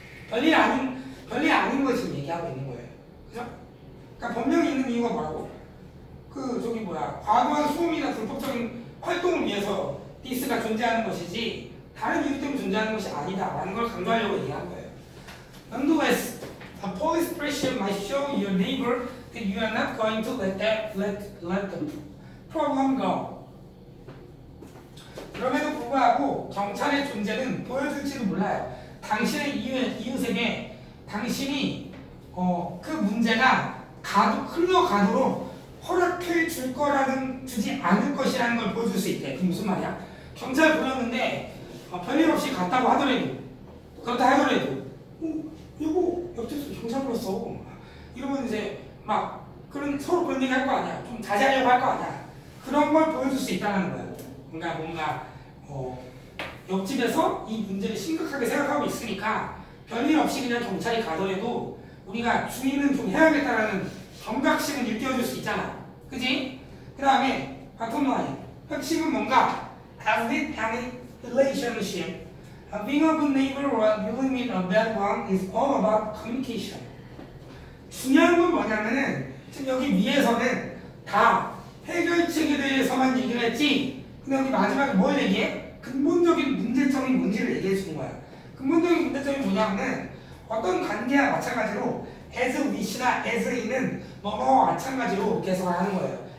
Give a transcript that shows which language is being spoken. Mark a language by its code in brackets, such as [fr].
[ko] 별일 아닌 걸 지금 얘기하고 있는 거예요. 그죠? 그러니까 법령이 있는 이유가 뭐라고? 과도한 소음이나 불법적인 활동을 위해서 디스가 존재하는 것이지 다른 이유 때문에 존재하는 것이 아니다 라는 걸 강조하려고 얘기한 거예요. [en] Nonetheless, a police pressure might show your neighbor that you are not going to let the problem go. [ko] 그럼에도 불구하고 경찰의 존재는 보여줄지도 몰라요. 당신의 이웃에게 당신이 그 문제가 가도 흘러가도록 허락해 줄 거라는 주지 않을 것이라는 걸 보여줄 수 있대. 그게 무슨 말이야? 경찰을 불렀는데 별일 없이 갔다고 하더라도 그렇다 하더라도 이거 옆에서 경찰 불렀어 이러면 이제 막 그런 서로 그런 얘기 할 거 아니야. 좀 자제하려고 할 거 아니야. 그런 걸 보여줄 수 있다는 거야. 뭔가 옆집에서 이 문제를 심각하게 생각하고 있으니까 별일 없이 그냥 경찰이 가더라도 우리가 주의는 좀 해야겠다라는 경각심을 일깨워줄 수 있잖아. 그지? 그 다음에 바텀 라인 핵심은 뭔가 [en] Has it any relationship? Being a good neighbor or dealing with a bad one is all about communication. [ko] 중요한 건 뭐냐면은 지금 여기 위에서는 다 해결책에 대해서만 얘기를 했지 근데 여기 마지막에 뭘 얘기해? 근본적인 문제점이 뭔지를 얘기해 주는 거야. 근본적인 문제점이 뭐냐면은 어떤 관계와 마찬가지로 as with이나 as in은 뭐뭐와 마찬가지로 계속하는 거예요.